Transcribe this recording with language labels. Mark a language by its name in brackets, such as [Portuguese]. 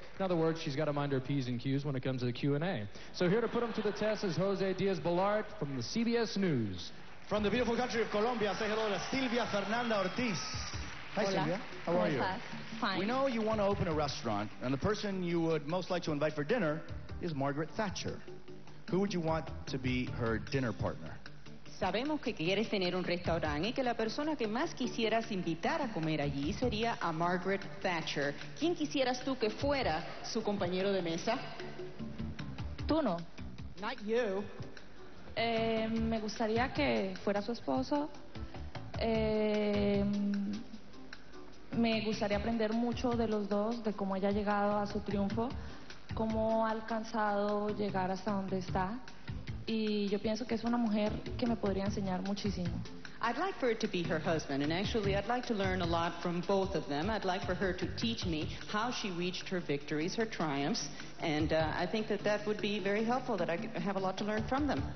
[English] In other words, she's got to mind her P's and Q's when it comes to the Q&A. So here to put them to the test is Jose Diaz-Balart from the CBS News. From the beautiful country of Colombia, say hello to Silvia Fernanda Ortiz. Hi, [Spanish] Hola. [English] Silvia. How are you? Fine. We know you want to open a restaurant, and the person you would most like to invite for dinner is Margaret Thatcher. Who would you want to be her dinner partner? [Spanish] Sabemos que quieres tener un restaurante y que la persona que más quisieras invitar a comer allí sería a Margaret Thatcher. ¿Quién quisieras tú que fuera su compañero de mesa? Tú no. [English] Not you. [Spanish] Me gustaría que fuera su esposo. Me gustaría aprender mucho de los dos, de cómo haya llegado a su triunfo, cómo ha alcanzado llegar hasta donde está. Y yo pienso que es una mujer que me podría enseñar muchísimo. [English] I'd like for it to be her husband, and actually I'd like to learn a lot from both of them. I'd like for her to teach me how she reached her victories, her triumphs, and I think that that would be very helpful, that I have a lot to learn from them.